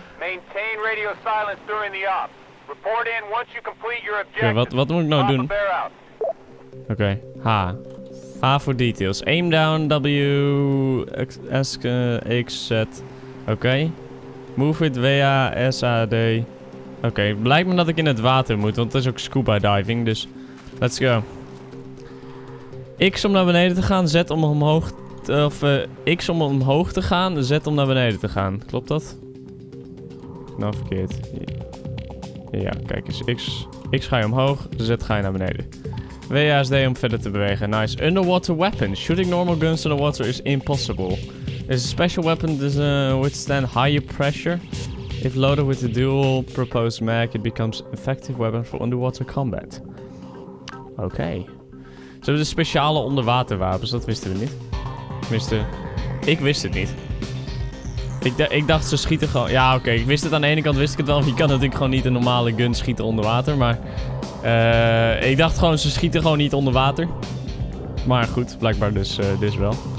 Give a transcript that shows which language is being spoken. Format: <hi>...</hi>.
<en>Maintain radio silence during the op. Report in once you complete your objective.</en> <nl>Okay, wat moet ik nou doen?</nl> <en>Papa Bear out. Okay, H. H for details. Aim down, W, X, S, X, Z. Oké. Move it, W-A, S-A-D.</en> <nl>Oké, blijkt me dat ik in het water moet, want het is ook scuba diving, dus...</nl> <en>Let's go.</en> <nl>X om naar beneden te gaan, Z om omhoog... X om omhoog te gaan, Z om naar beneden te gaan. Klopt dat? Nou, verkeerd. Ja, kijk eens. X ga je omhoog, Z ga je naar beneden. W-A, S-D om verder te bewegen.</nl> <en>Nice. Underwater weapon. Shooting normal guns underwater is impossible. Is a special weapon that withstand higher pressure. If loaded with a dual proposed mag, it becomes an effective weapon for underwater combat. Okay.</en> <nl>Ze hebben de speciale onderwaterwapens, dat wisten we niet. Tenminste, ik wist het niet. Ik dacht ze schieten gewoon... Ja, oké, okay. Ik wist het aan de ene kant, wist ik het wel. Je kan natuurlijk gewoon niet een normale gun schieten onder water, maar... ik dacht gewoon, ze schieten gewoon niet onder water. Maar goed, blijkbaar dus dit wel.</nl>